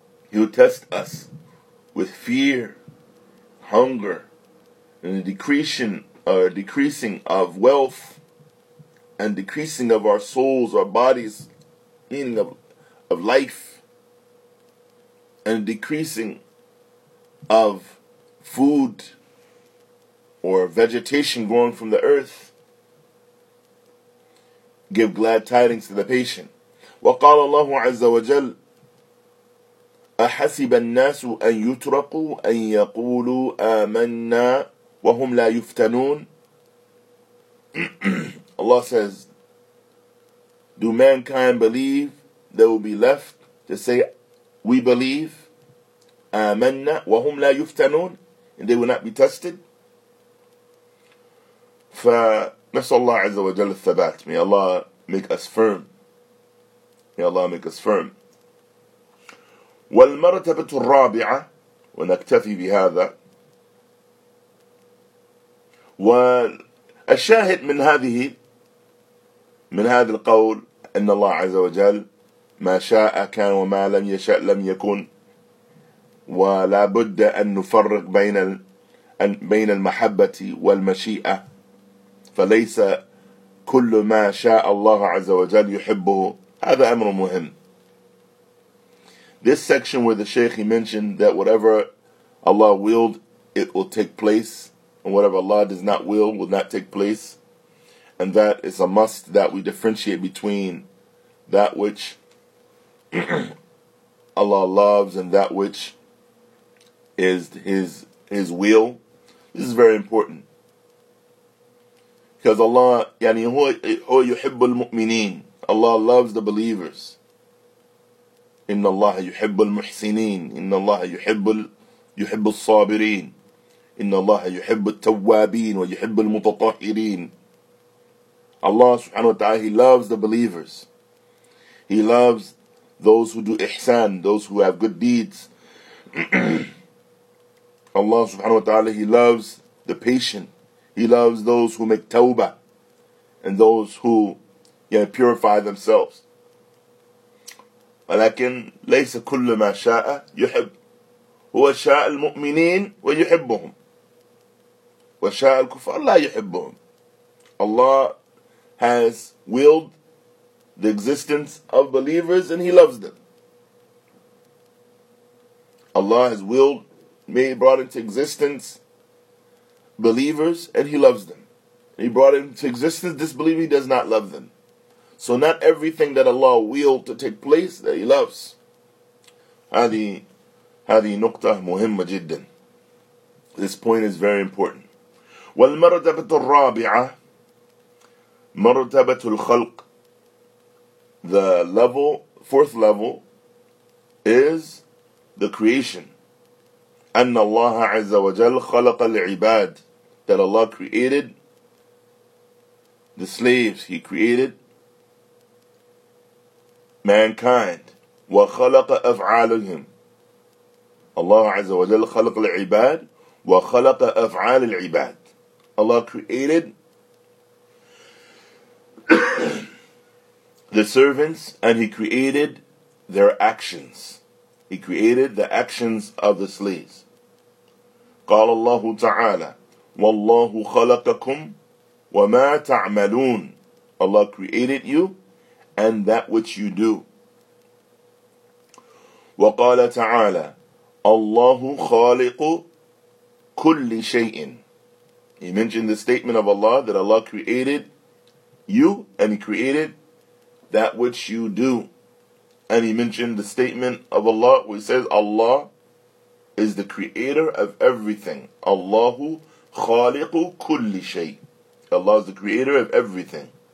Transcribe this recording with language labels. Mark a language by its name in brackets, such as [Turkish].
[English] He will test us with fear, hunger, and the decreasing of wealth, and decreasing of our souls, our bodies, meaning of life, and decreasing of food or vegetation growing from the earth. Give glad tidings to the patient. [Arabic] وقال الله عز وجل أحسب الناس أن يتركوا أن يقولوا آمنا وهم لا يفتنون. [English] Allah says, do mankind believe they will be left to say, we believe, [Arabic] آمَنَّا وَهُمْ لَا يُفْتَنُونَ, [English] and they will not be tested? [Arabic] فَنَسْأَلُ اللَّهَ عَزَّ وَجَلَّ الثَّبَاتِ, [English] may Allah make us firm. May Allah make us firm. [Arabic] وَالْمَرَتَبَةُ الرَّابِعَةِ, وَنَكْتَفِي بِهَذَا. وَالشَّاهِدْ مِنْ هَذِهِ الْقَوْلِ أن الله عز وجل ما شاء كان وما لم يشأ لم يكن, ولا بد أن نفرق بين المحبة والمشيئة, فليس كل ما شاء الله عز وجل يحبه. هذا أمر مهم. [English] This section where the Shaykh he mentioned that whatever Allah willed it will take place, and whatever Allah does not will will not take place, and that is a must that we differentiate between that which Allah loves and that which is His will. This is very important. Because Allah, [Arabic] يعني هو يحب المؤمنين. [English] Allah loves the believers. [Arabic] إن الله يحب المحسنين. إن الله يحب الصابرين. إن الله يحب التوابين ويحب المتطهرين. [English] Allah subhanahu wa ta'ala, He loves the believers. He loves those who do ihsan, those who have good deeds. Allah subhanahu wa ta'ala, He loves the patient. He loves those who make tawbah and those who purify themselves. [Arabic] ولكن ليس كل ما شاء يحب هو شاء المؤمنين ويحبهم وشاء الكفار لا يحبهم. [English] Allah has willed the existence of believers and He loves them. Allah has willed, made, brought into existence believers and He loves them. He brought into existence disbelievers, He does not love them. So not everything that Allah willed to take place that He loves. [Arabic] هذه نقطة مهمة جدا. [English] This point is very important. [Arabic] والمرتبة الرابعة مرتبة الخلق. [English] The level, fourth level, is the creation. [Arabic] أن الله عز وجل خلق العباد. [English] That Allah created the slaves. He created mankind. [Arabic] وخلق أفعالهم. الله عز وجل خلق العباد وخلق أفعال العباد. [English] Allah created the servants and He created their actions. He created the actions of the slaves. [Arabic] قال الله تعالى والله خلقكم وما تعملون. [English] Allah created you and that which you do. [Arabic] وقال تعالى الله خالق كل شيء. [English] He mentioned the statement of Allah that Allah created you and He created that which you do. And He mentioned the statement of Allah which says Allah is the creator of everything. [Arabic] Allahu خالق كل شيء. [English] Allah is the creator of everything.